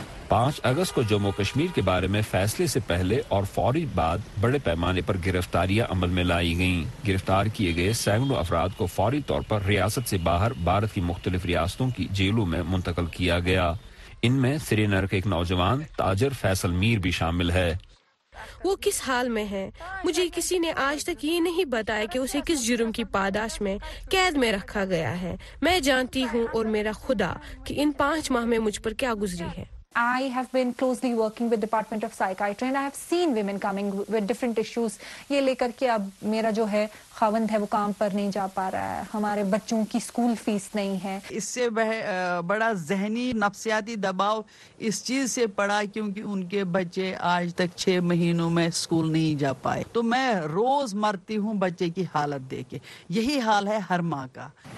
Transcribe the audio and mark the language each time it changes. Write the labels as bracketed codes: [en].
[ur] 5 اگست کو جموں کشمیر کے بارے میں فیصلے سے پہلے اور فوری بعد بڑے پیمانے پر گرفتاریاں عمل میں لائی گئیں۔ گرفتار کیے گئے سینکڑوں افراد کو فوری طور پر ریاست سے باہر بھارت کی مختلف ریاستوں کی جیلوں میں منتقل کیا گیا۔ ان میں سری نگر کے ایک نوجوان تاجر فیصل میر بھی شامل ہے۔ وہ کس حال میں ہے مجھے کسی نے آج تک یہ نہیں بتایا کہ اسے کس جرم کی پاداش میں قید میں رکھا گیا ہے۔ میں جانتی ہوں اور میرا خدا کہ ان 5 ماہ میں مجھ پر کیا گزری ہے۔ [en] I have been closely working with department of psychiatry and I have seen women coming with different issues. [ur] یہ لے کر کہ اب میرا جو ہے خاوند ہے وہ کام پر نہیں جا پا رہا ہے، ہمارے بچوں کی اسکول فیس نہیں ہے۔ اس سے بڑا ذہنی نفسیاتی دباؤ اس چیز سے پڑا کیونکہ ان کے بچے آج تک 6 مہینوں میں اسکول نہیں جا پائے، تو میں روز مرتی ہوں بچے کی حالت دیکھ کے۔ یہی حال ہے ہر ماں کا۔